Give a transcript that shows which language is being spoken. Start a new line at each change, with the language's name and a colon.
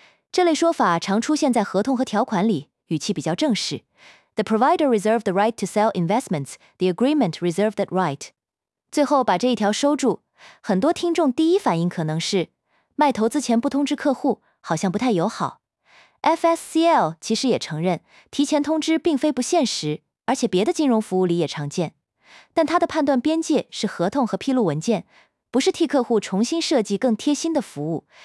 Chinese: 这类说法常出现在合同和条款里，语气比较正式。
English: The provider reserved the right to sell investments. The agreement reserved that right.
Chinese: 最后把这一条收住。很多听众第一反应可能是，卖投资前不通知客户，好像不太友好。 FSCL 其实也承认，提前通知并非不现实，而且别的金融服务里也常见。但他的判断边界是合同和披露文件，不是替客户重新设计更贴心的服务。